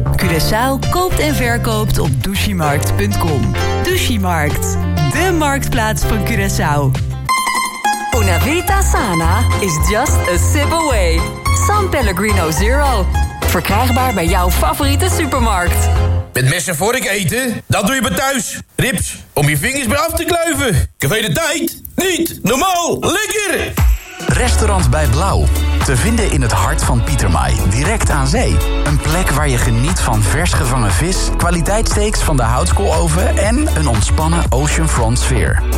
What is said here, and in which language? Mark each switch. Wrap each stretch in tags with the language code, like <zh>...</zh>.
<nl>Curaçao koopt en verkoopt op douchimarkt.com. Douchimarkt, de marktplaats van Curaçao.</nl> <it>Una vita sana</it> <en>is just a sip away. San Pellegrino Zero.</en> <nl>Verkrijgbaar bij jouw favoriete supermarkt. Met mes en vork eten? Dat doe je bij thuis. Rips, om je vingers bij af te kluiven. Café de Tijd? Niet normaal, lekker! Restaurant Bij Blauw. Te vinden in het hart van Pietermaai, direct aan zee. Een plek waar je geniet van vers gevangen vis, kwaliteitssteaks van de houtskooloven en een ontspannen oceanfront sfeer.</nl>